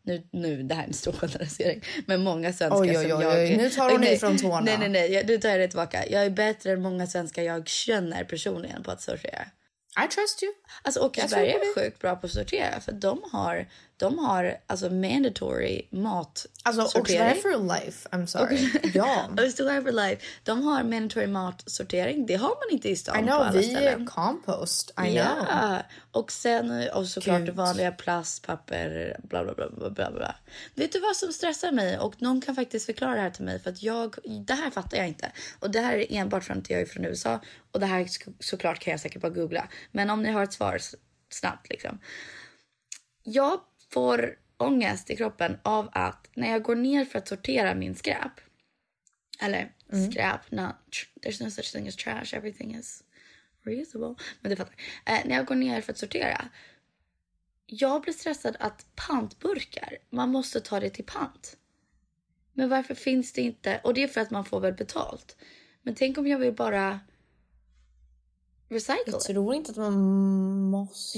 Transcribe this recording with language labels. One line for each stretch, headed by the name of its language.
Swedish: Nu det här är en stor generalisering. Men många svenskar Nu tar hon dig från tårna. Nej, nu tar jag dig tillbaka. Jag är bättre än många svenskar jag känner personligen på att sortera.
English: I trust you.
Swedish: Alltså Åkersberg är sjukt bra på att sortera. För de har alltså mandatory mat. Alltså
English: Åkersberg for life, I'm sorry.
Swedish: Åkersberg
English: for life.
Swedish: De har mandatory mat sortering. Det har man inte i stan.
English: I know,
Swedish: vi är compost.
English: I know.
Swedish: Och sen, och såklart vanliga plast, papper, bla bla bla bla bla bla. Vet du vad som stressar mig? Och någon kan faktiskt förklara det här till mig. För att det här fattar jag inte. Och det här är enbart från att jag är från USA. Och det här såklart kan jag säkert bara googla. Men om ni har ett svar snabbt liksom. Jag får ångest i kroppen av att när jag går ner för att sortera min skräp. Eller skräp,
English: there's no such thing as trash, everything is reusable.
Swedish: Men det fattar. När jag går ner för att sortera. Jag blir stressad att pantburkar, man måste ta det till pant. Men varför finns det inte? Och det är för att man får väl betalt. Men tänk om jag vill bara recycle. Jag tror inte att man måste.